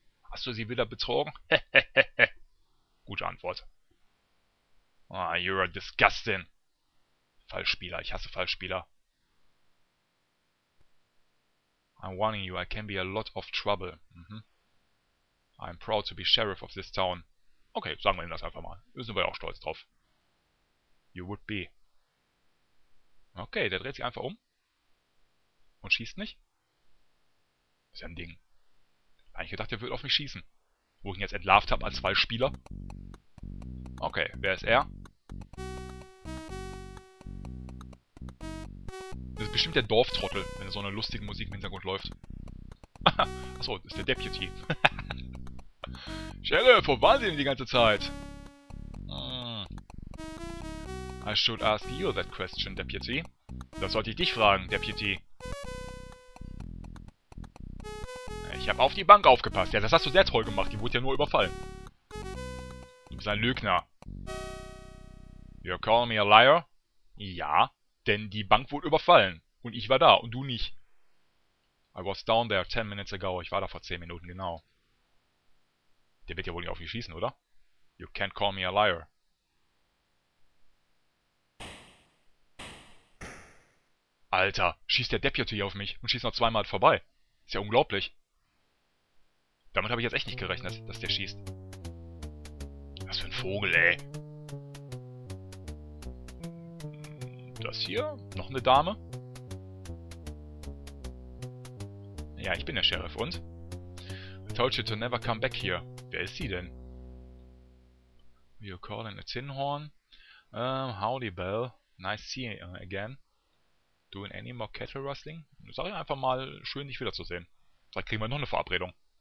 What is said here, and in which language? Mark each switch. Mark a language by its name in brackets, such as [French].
[German] Hast du sie wieder betrogen? Gute Antwort. [English] Ah, you're disgusting. [German] Fallspieler, ich hasse Fallspieler. [English] I'm warning you, I can be a lot of trouble. Mhm. I'm proud to be sheriff of this town. [German] Okay, sagen wir ihm das einfach mal. Da sind wir ja auch stolz drauf. [English] You would be. [German] Okay, der dreht sich einfach um. Und schießt nicht. Ist ja ein Ding. Eigentlich gedacht, er würde auf mich schießen. Wo ich ihn jetzt entlarvt habe als Fallspieler. Okay, wer ist er? Das ist bestimmt der Dorftrottel, wenn so eine lustige Musik im Hintergrund läuft. Achso, das ist der Deputy. Sheriff, wo waren Sie denn die ganze Zeit? [English] I should ask you that question, Deputy. [German] Das sollte ich dich fragen, Deputy. Ich habe auf die Bank aufgepasst. Ja, das hast du sehr toll gemacht. Die wurde ja nur überfallen. Du bist ein Lügner. [English] You call me a liar? [German] Ja, denn die Bank wurde überfallen. Und ich war da und du nicht. [English] I was down there 10 minutes ago. [German] Ich war da vor 10 Minuten, genau. Der wird ja wohl nicht auf mich schießen, oder? [English] You can't call me a liar. [German] Alter, schießt der Deputy auf mich und schießt noch zweimal vorbei. Ist ja unglaublich. Damit habe ich jetzt echt nicht gerechnet, dass der schießt. Was für ein Vogel, ey. Das hier? Noch eine Dame? Ja, ich bin der Sheriff, und? [English] I told you to never come back here. [German] Wer ist sie denn? [English] You're calling a tin horn? Howdy, Bell. Nice seeing you again. Doing any more cattle rustling? [German] Sag ich einfach mal, schön, dich wiederzusehen. Vielleicht kriegen wir noch eine Verabredung.